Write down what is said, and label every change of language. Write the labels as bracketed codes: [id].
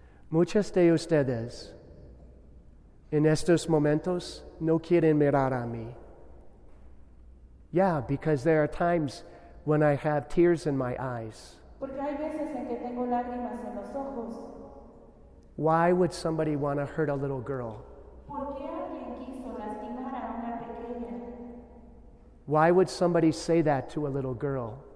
[es] Muchas de ustedes en estos momentos no quieren mirar a mí. [en] Yeah, because there are times when I have tears in my eyes. [es] Porque hay veces en que tengo lágrimas en los ojos. [en] Why would somebody want to hurt a little girl? [es] ¿Por qué alguien quiso lastimar a una pequeña? [en] Why would somebody say that to a little girl?